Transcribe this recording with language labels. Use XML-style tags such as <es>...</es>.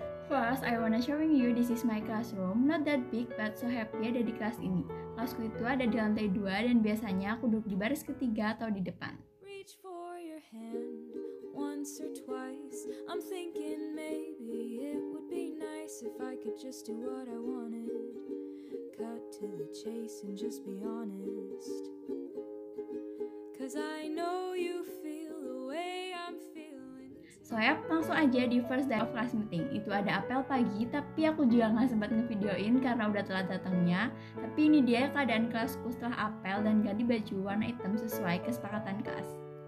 <en>First, I wanna showing you this is my classroom. Not that big, but so happy</en> <id>ada di kelas ini. Kelasku itu ada di lantai 2 dan biasanya aku duduk di baris ketiga atau di depan.</id> <en>Reach for your hand once or twice. I'm thinking maybe it would be nice if I could just do what I wanted. Cut to the chase and just be honest. I know you feel the way I'm feeling. So</en> <id>ya, langsung aja di</id> <en>first day of class meeting.</en> <id>Itu ada apel pagi, tapi aku juga gak sempat ngevideoin karena udah telat datangnya. Tapi ini dia keadaan kelasku setelah apel dan ganti baju warna hitam sesuai kesepakatan kelas.</id>